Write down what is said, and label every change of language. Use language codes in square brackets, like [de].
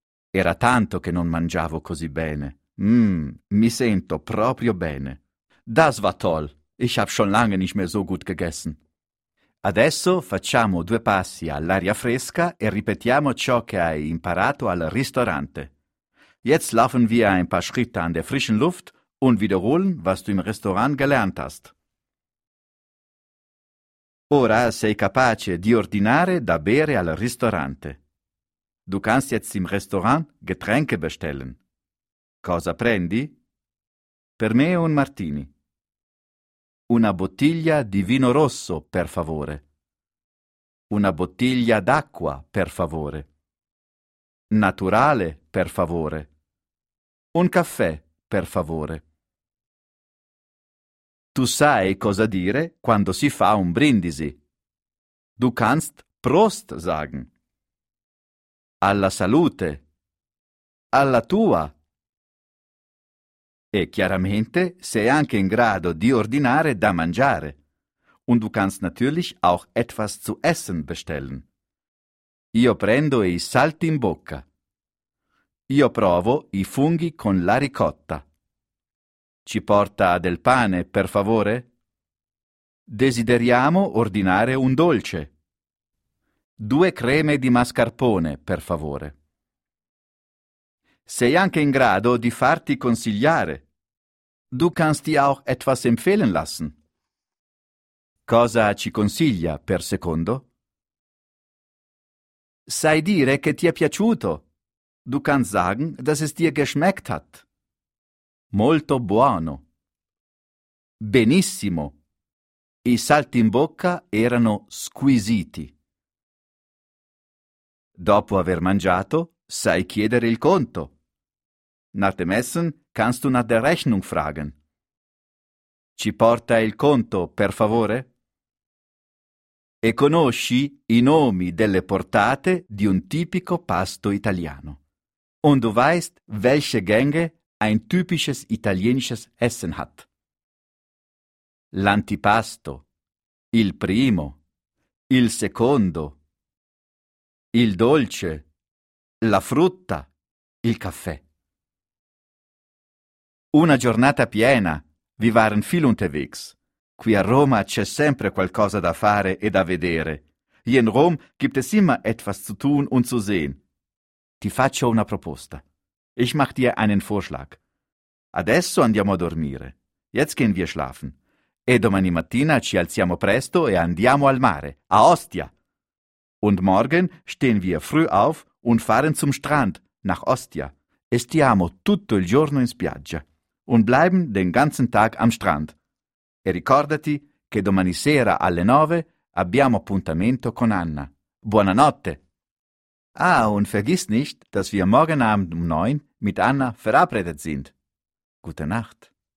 [it] Era tanto che non mangiavo così bene. Mi sento proprio bene. [de] Das war toll. Ich hab schon lange nicht mehr so gut gegessen. [it] Adesso facciamo due passi all'aria fresca e ripetiamo ciò che hai imparato al ristorante. [de] Jetzt laufen wir ein paar Schritte an der frischen Luft und wiederholen, was du im Restaurant gelernt hast. [it] Ora sei capace di ordinare da bere al ristorante. [de] Du kannst jetzt im Restaurant Getränke bestellen. [it] Cosa prendi? Per me un martini. Una bottiglia di vino rosso, per favore. Una bottiglia d'acqua, per favore. Naturale, per favore. Un caffè, per favore. Tu sai cosa dire quando si fa un brindisi. [de] Du kannst Prost sagen. [it] Alla salute. Alla tua. E chiaramente sei anche in grado di ordinare da mangiare. [de] Und du kannst natürlich auch etwas zu essen bestellen. [it] Io prendo i saltimbocca. Io provo i funghi con la ricotta. Ci porta del pane, per favore? Desideriamo ordinare un dolce. Due creme di mascarpone, per favore. Sei anche in grado di farti consigliare. [de] Du kannst dir auch etwas empfehlen lassen. [it] Cosa ci consiglia, per secondo? Sai dire che ti è piaciuto. [de] Du kannst sagen, dass es dir geschmeckt hat. [it] Molto buono. Benissimo. I saltimbocca erano squisiti. Dopo aver mangiato, sai chiedere il conto. [de] Nach dem Essen kannst du nach der Rechnung fragen. [it] Ci porta il conto, per favore? E conosci i nomi delle portate di un tipico pasto italiano. [de] Und du weißt, welche Gänge ein typisches italienisches Essen hat. [it] L'antipasto, il primo, il secondo. Il dolce, la frutta, il caffè. Una giornata piena. [de] Wir waren viel unterwegs. [it] Qui a Roma c'è sempre qualcosa da fare e da vedere. [de] Hier in Rom gibt es immer etwas zu tun und zu sehen. [it] Ti faccio una proposta. [de] Ich mach dir einen Vorschlag. [it] Adesso andiamo a dormire. [de] Jetzt gehen wir schlafen. [it] E domani mattina ci alziamo presto e andiamo al mare, a Ostia. [de] Und morgen stehen wir früh auf und fahren zum Strand nach Ostia. [it] E stiamo tutto il giorno in spiaggia [de] und bleiben den ganzen Tag am Strand. [it] E ricordati che domani sera alle 9 abbiamo appuntamento con Anna. Buonanotte. [de] Ah, und vergiss nicht, dass wir morgen Abend um 9 mit Anna verabredet sind. Gute Nacht.